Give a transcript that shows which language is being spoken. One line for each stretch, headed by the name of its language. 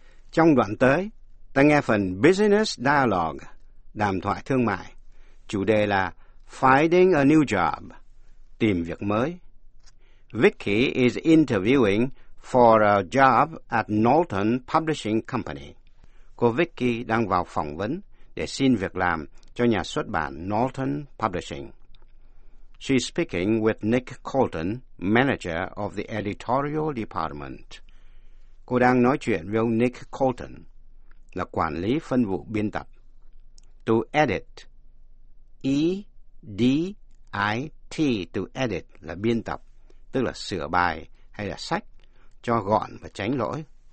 Vietnamese: Trong đoạn tới, ta nghe phần Business Dialogue, đàm thoại thương mại. Chủ đề là Finding a New Job, tìm việc mới.
English: Vicky is interviewing for a job at Knowlton Publishing Company.
Vietnamese: Cô Vicky đang vào phỏng vấn để xin việc làm cho nhà xuất bản Knowlton Publishing.
English: She's speaking with Nick Colton, manager of the editorial department.
Vietnamese: Cô đang nói chuyện với ông Nick Colton, là quản lý phân vụ biên tập. To edit, E-D-I-T, to edit là biên tập, tức là sửa bài hay là sách cho gọn và tránh lỗi.